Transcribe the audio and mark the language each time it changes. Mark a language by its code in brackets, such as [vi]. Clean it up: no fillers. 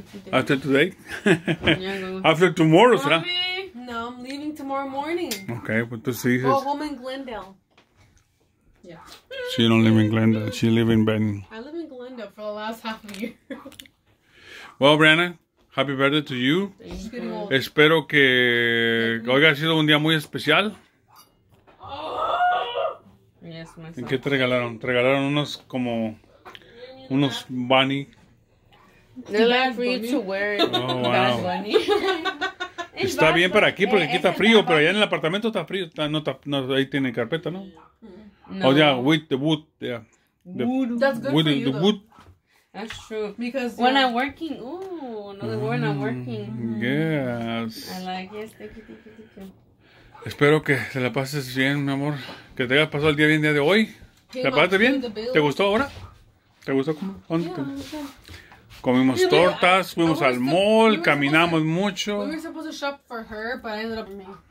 [en] after today. After tomorrow, [es] será? [en] No, I'm leaving tomorrow morning. Okay, but the season. Go home in Glendale. Yeah. She don't live in Glendale. She live in Benton. I live in Glendale for the last half of the year. Well, Brianna, happy birthday to you. [es] Espero que hoy haya sido un día muy especial. [en] Yes, my son. [es] ¿Qué te regalaron? Te regalaron unos como unos bunny. [en] They're like for you to wear it. Oh, wow. [es] Está bien para aquí porque aquí está frío, pero allá en el apartamento está frío. No, ahí tiene carpeta, ¿no? No. [en] Oh, yeah, with the wood, yeah. The wood. That's good wood, for you, the wood. That's true. Because when I'm working, when I'm working. Yes. I like, yes, thank you. [es] Espero que se la pases bien, mi amor. Que te haya pasado el día bien día de hoy. ¿La pasaste bien? ¿Te gustó ahora? ¿Te gustó cómo? ¿Dónde? [en] Yeah, [es] comimos tortas, fuimos al mall, caminamos mucho. [en] We were supposed to shop for her, but I ended up me.